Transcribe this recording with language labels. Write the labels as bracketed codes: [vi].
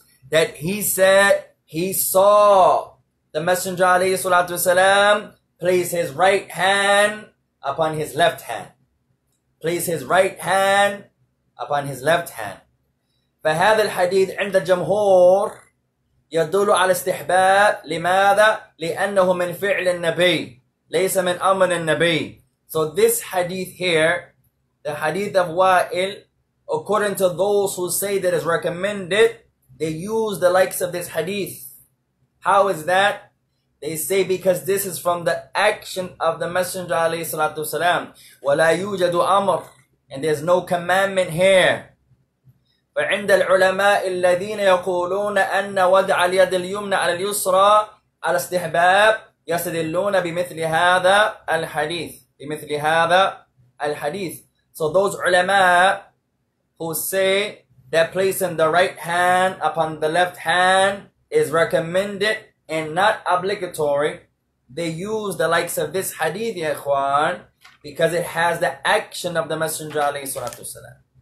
[en] That he said he saw the messenger [ar] عليه الصلاة والسلام [en] place his right hand upon his left hand. Place his right hand upon his left hand. [ar] فهذا الحديث عند الجمهور يدل على استحباب. لماذا؟ لأنه من فعل النبي ليس من أمر النبي. [en] So this hadith here, the hadith of Wa'il, according to those who say that is recommended, they use the likes of this hadith. How is that? They say because this is from the action of the Messenger [ar] عليه الصلاة والسلام. ولا يوجد أمر. [en] And there's no commandment here. [ar] فعند العلماء الذين يقولون أن وضع اليد اليمنى على اليسرى على استحباب يستدلون بمثل هذا الحديث. بمثل هذا الحديث. [en] So those علماء who say that placing the right hand upon the left hand is recommended and not obligatory, they use the likes of this hadith, [ar] يا إخوان, [en] because it has the action of the Messenger [ar] عليه الصلاة والسلام.